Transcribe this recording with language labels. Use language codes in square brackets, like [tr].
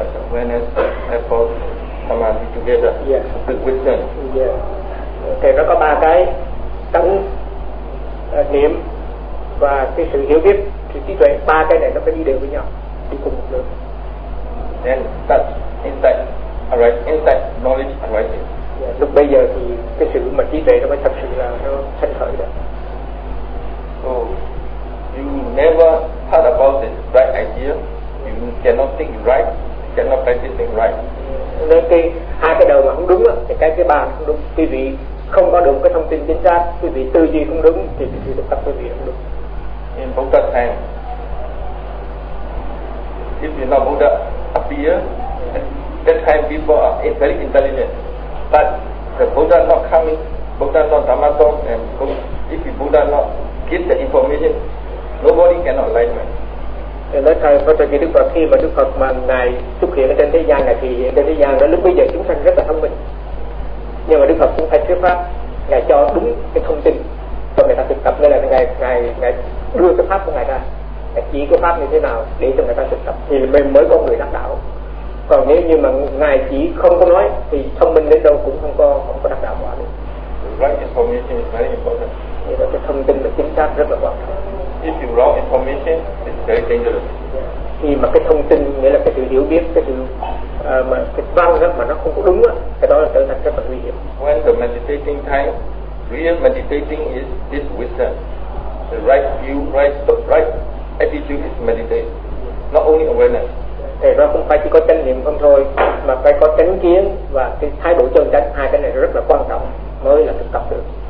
[en] awareness, effort, samadhi together. Yes. The wisdom. Yeah. [vi] Thì nó có ba cái tánh niệm và cái sự hiểu biết, sự trí tuệ. Ba cái này nó phải đi đều với nhau, đi cùng một đường. [en] Then that insight, arise, insight, knowledge arising. Yeah. [vi] Lúc bây giờ thì cái sự mà trí tuệ nó mới thật sự là nó sinh khởi được. [en] Oh, you never thought about the right idea. You cannot think right. Cannot practice thing right. [vi] Nên cái hai cái đầu mà không đúng thì cái ba không đúng. Quý vị không có được cái thông tin chính xác, quý vị tư duy không đúng thì quý vị được tập quý vị không đúng. [en] In Buddha time, if you know Buddha appear, that time people are very intelligent. But the Buddha not coming, Buddha not Dhamma talk, and if Buddha not give the information, nobody cannot like me. [vi] Thì nói thầy có thời kỳ Đức Phật, khi mà Đức Phật mà Ngài xuất hiện ở trên thế gian này thì hiện trên thế gian đó lúc bây giờ chúng sanh rất là thông minh. Nhưng mà Đức Phật cũng phải thuyết pháp, Ngài cho đúng cái thông tin cho người ta thực tập, nên là Ngài đưa cái pháp của Ngài ra, Ngài chỉ cái pháp như thế nào để cho người ta thực tập thì mới có người đắc đạo. Còn nếu như mà Ngài chỉ không có nói thì thông minh đến đâu cũng không có đắc đạo quả được. [en] Right information is very important. [vi] Thì đó, cái thông tin là chính xác rất là quan trọng. [en] If you wrong information, it's very dangerous. [vi] Khi mà cái thông tin, nghĩa là cái sự hiểu biết, cái sự mà cái văn đó mà nó không có đúng á, cái đó là trở thành rất là nguy hiểm. [en] When the meditating time, real meditating is this wisdom. The right view, right attitude is meditation. Not only awareness. [vi] Thì nó không phải chỉ có chánh niệm không thôi, mà phải có chánh kiến và cái thái độ chân chánh. Hai cái này rất là quan trọng mới là thực tập được.